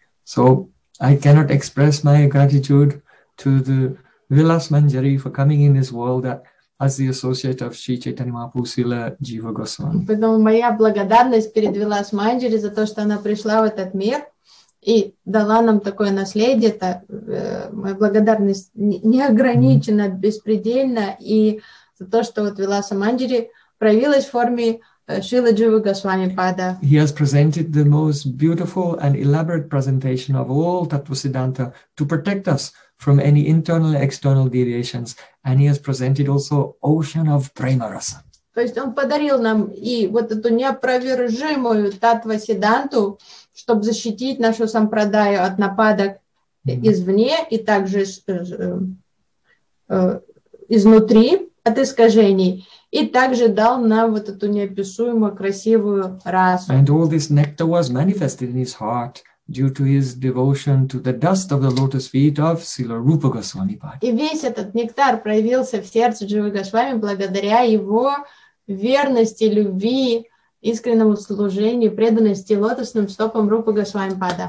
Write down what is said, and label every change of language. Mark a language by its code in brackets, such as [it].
[en] So I cannot express my gratitude to the Vilas Manjari for coming in this world as the associate of Sri Chaitanya Mahaprabhu, Srila Jiva Goswami. [ru] Поэтому моя благодарность перед Вилас Манджари за то, что она пришла в этот мир. И дала нам такое наследие, это моя благодарность неограничена, беспредельна, и за то, что вот Виласа Манджари проявилась в форме Шрилы Дживы Госвами Пада. [en] He has presented the most beautiful and elaborate presentation of all Tattva Siddhanta to protect us from any internal and external deviations, and he has presented also ocean of Premarasa. [ru] То есть он подарил нам и вот эту неопровержимую Таттва Сидданту, чтобы защитить нашу сампрадаю от нападок извне и также изнутри от искажений, и также дал нам вот эту неописуемо красивую расу. [en] And all this nectar was manifested in his heart due to his devotion to the dust of the lotus feet of Srila Rupa Goswami Pada. [ru] И весь этот нектар проявился в сердце Дживы Госвами благодаря его верности, любви, искреннему служению, преданности лотосным стопам Рупы Госвами Пада.